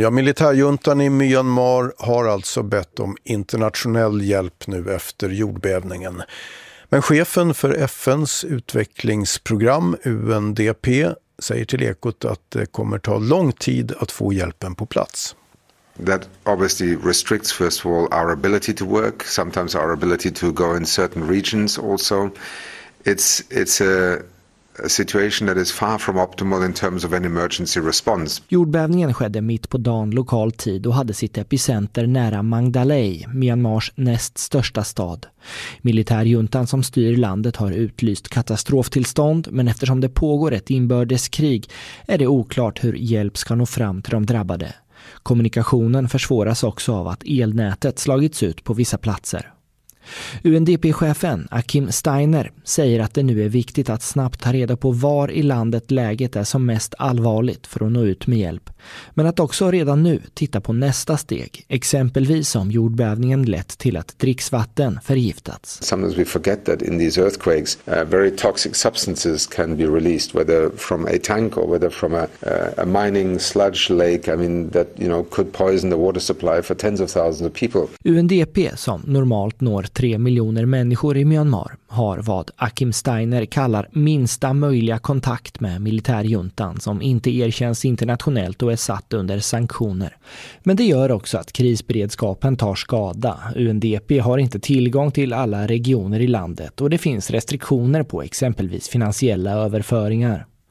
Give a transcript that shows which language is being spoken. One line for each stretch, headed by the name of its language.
Swedish: Ja, militärjuntan i Myanmar har alltså bett om internationell hjälp nu efter jordbävningen. Men chefen för FNs utvecklingsprogram, UNDP, säger till Ekot att det kommer ta lång tid att få hjälpen på plats.
English: That obviously restricts first of all our ability to work, sometimes our ability to go in certain regions also. It's a situation that is far from optimal in terms of an emergency response.
Swedish: Jordbävningen skedde mitt på dagen lokal tid och hade sitt epicenter nära Mandalay, Myanmars näst största stad. Militärjuntan som styr landet har utlyst katastroftillstånd, men eftersom det pågår ett inbördeskrig är det oklart hur hjälp ska nå fram till de drabbade. Kommunikationen försvåras också av att elnätet slagits ut på vissa platser. UNDP-chefen Akim Steiner säger att det nu är viktigt att snabbt ta reda på var i landet läget är som mest allvarligt för att nå ut med hjälp. Men att också redan nu titta på nästa steg, exempelvis om jordbävningen lett till att dricksvatten förgiftats.
English: Sometimes we forget that in these earthquakes very toxic substances can be released, whether from a tank or whether from a mining sludge lake. I mean that, you know, could poison the water supply for tens of thousands of people.
Swedish: UNDP, som normalt når 3 miljoner människor i Myanmar, har vad Akim Steiner kallar minsta möjliga kontakt med militärjuntan som inte erkänns internationellt och är satt under sanktioner. Men det gör också att krisberedskapen tar skada. UNDP har inte tillgång till alla regioner i landet och det finns restriktioner på exempelvis finansiella överföringar.